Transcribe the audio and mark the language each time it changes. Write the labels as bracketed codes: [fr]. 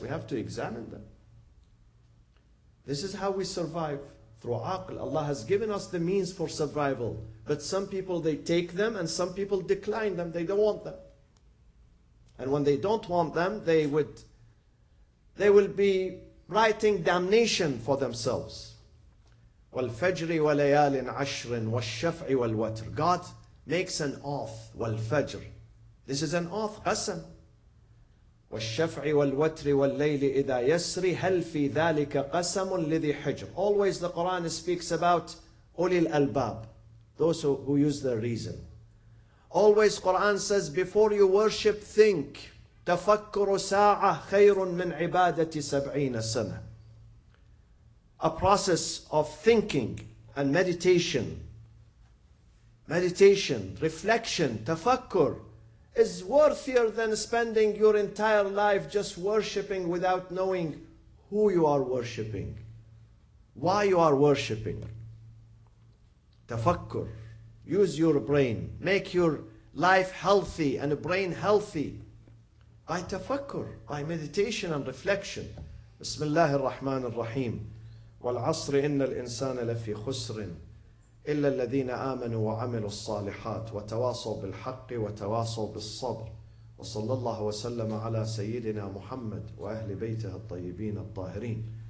[en] We have to examine them. This is how we survive, through aql. Allah has given us the means for survival. But some people, they take them, and some people decline them. They don't want them. And when they don't want them, they will be writing damnation for themselves. [ar] والفجر وليال عشر والشفع والوتر. [en] God makes an oath. [ar] والفجر. [en] This is an oath. قسم. [ar] والشفع والوتر والليل إذا يسري هل في ذلك قسم لذي حجر. [en] Always the Quran speaks about [ar] أولي الألباب. [en] Those who use their reason. Always Quran says before you worship, think. [ar] تفكر ساعة خير من عبادة سبعين سنة. [en] A process of thinking and meditation, reflection, tafakkur, is worthier than spending your entire life just worshipping without knowing who you are worshipping, why you are worshipping. Tafakkur, use your brain, make your life healthy and brain healthy by tafakkur, by meditation and reflection. [ar] Bismillah ar-Rahman ar-Rahim. والعصر إن الإنسان لفي خسر إلا الذين آمنوا وعملوا الصالحات وتواصوا بالحق وتواصوا بالصبر وصلى الله وسلم على سيدنا محمد وأهل بيته الطيبين الطاهرين.